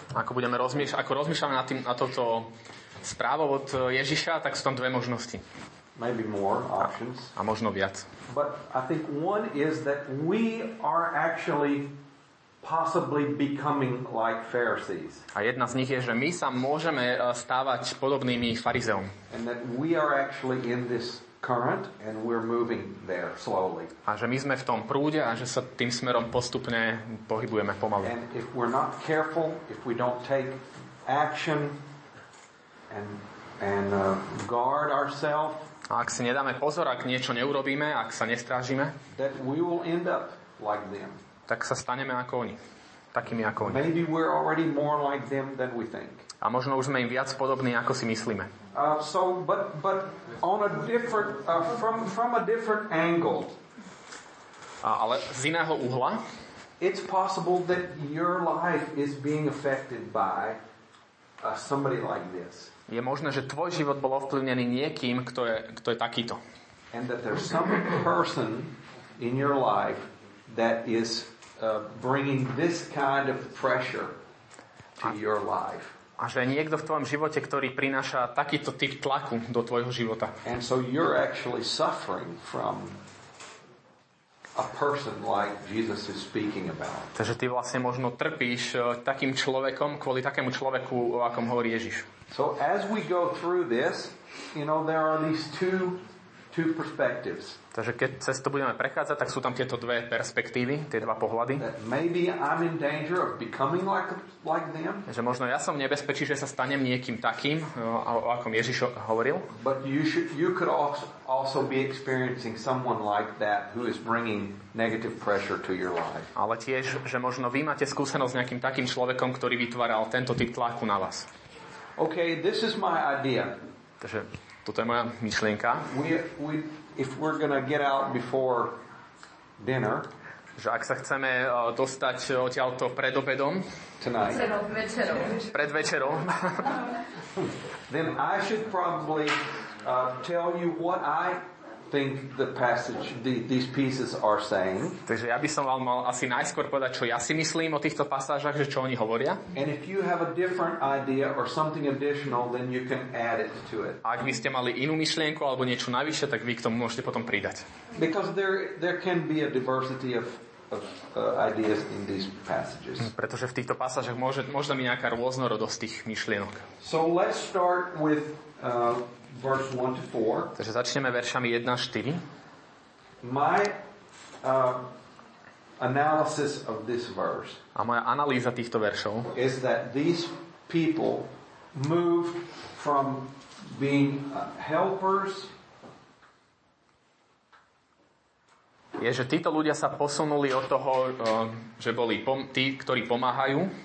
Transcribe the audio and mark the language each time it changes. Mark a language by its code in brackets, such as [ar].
[sk] Ako budeme rozmýšľame na toto správo od Ježiša, tak sú tam dve možnosti. [en] Maybe more options. [sk] A možno viac. [en] But I think one is that we are actually possibly becoming like Pharisees. [sk] A jedna z nich je, že my sa môžeme stávať podobnými farizeom. [en] And that we are actually in this current and we're moving there slowly. [sk] A že my sme v tom prúde a že sa tým smerom postupne pohybujeme pomaly. [en] And if we're not careful, if we don't take action and guard ourselves, [sk] a ak si nedáme pozor, ak niečo neurobíme, ak sa nestrážime, [en] that we will end up like them. [sk] Tak sa staneme ako oni. Takými ako oni. [en] Maybe we're already more like them than we think. [sk] A možno už sme im viac podobní, ako si myslíme. [en] So but on a different from a different angle. [sk] Ale z iného uhla. [en] It's possible that your life is being affected by somebody like this. [sk] Je možné, že tvoj život bol ovplyvnený niekým, kto je takýto. [en] And that there's some person in your life that is bringing this kind of pressure to your life. [sk] A že niekto v tvojom živote, ktorý prináša takýto typ tlaku do tvojho života. [en] And so you're actually suffering from a person like Jesus is speaking about. [sk] Takže ty vlastne možno trpíš takým človekom, kvôli takému človeku, o akom hovorí Ježiš. [en] So as we go through this, you know, there are these two perspectives. [sk] Takže keď cez to budeme prechádzať, tak sú tam tieto dve perspektívy, tie dva pohľady. [en] Maybe I'm in danger of becoming like them. [sk] Že možno ja som v nebezpečí, že sa stanem niekým takým, o akom Ježiš hovoril. [en] But you could also be experiencing someone like that who is bringing negative pressure to your life. [sk] Ale tiež, že možno vy máte skúsenosť s nejakým takým človekom, ktorý vytváral tento typ tlaku na vás. [en] Okay, this is my idea. [sk] Takže toto je moja myšlienka. [en] If we're going to get out before dinner, [sk] že ak sa chceme dostať odtiaľto pred obedom, pred večerou, [en] then I should probably tell you what I think the passage, these pieces are saying. [sk] Takže ja by som vám mal asi najskôr povedať, čo ja si myslím o týchto pasážach, že čo oni hovoria. [en] And if you have a different idea or something additional, then you can add it to it. [sk] Ak by ste mali inú myšlienku alebo niečo navyše, tak vy k tomu môžete potom pridať. [en] Because there can be a diversity of ideas in these passages. [sk] Pretože v týchto pasážach možno mi nejaká rôznorodosť tých myšlienok. [en] So let's start with verse 1 to 4. [sk] Takže začneme veršami 1 až 4. [en] My analysis of this verse. [sk] A moja analýza týchto veršov [en] is that these people move from being helpers. [sk] Je, že títo ľudia sa posunuli od toho, že boli tí, ktorí pomáhajú.